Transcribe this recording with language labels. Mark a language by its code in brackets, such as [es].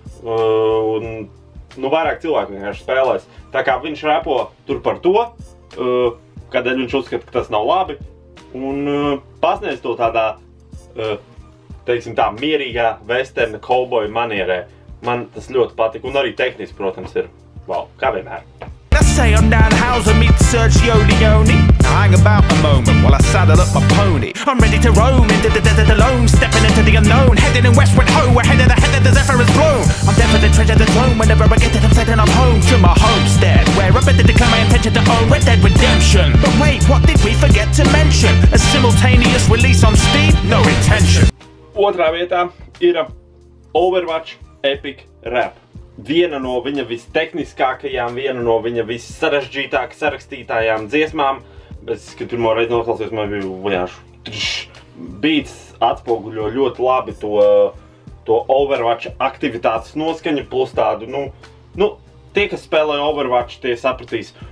[lv] Un nu, vairāk cilvēku vienkārši spēlēs. Tā kā viņš repo tur par to, kādēļ viņš uzskata, ka tas nav labi. Un pasniedz to tādā, teiksim tā, mierīgā [en] western cowboy [lv] manierē. Man tas ļoti patika. Un arī tehniski, protams, ir. [en] Wow, [lv] kā vienmēr. [en] Say I'm Dan Houser, meet Sergio Leone. Now hang about a moment while I saddle up my pony. I'm ready to roam into the alone, stepping into the unknown. Heading in westward ho, ahead of the head that the zephyr has blown. I'm there for the treasure, the throne. Whenever I get it, I'm setting up home to my homestead, where I better declare my intention to own Red Dead Redemption. But wait, what did we forget to mention? A simultaneous release on Steam? No intention. [lv] Otrā vietā ir Overwatch Epic Rap. Viena no viņa vistehniskākajām, viena no viņa vissarežģītākajām sarakstītājām dziesmām. Es, kad pirmo reizi noklausījos, man bija vajāšu. Beats atspoguļo ļoti labi to Overwatch aktivitātes noskaņu, plus tādu, nu, tie, kas spēlē Overwatch, tie sapratīs.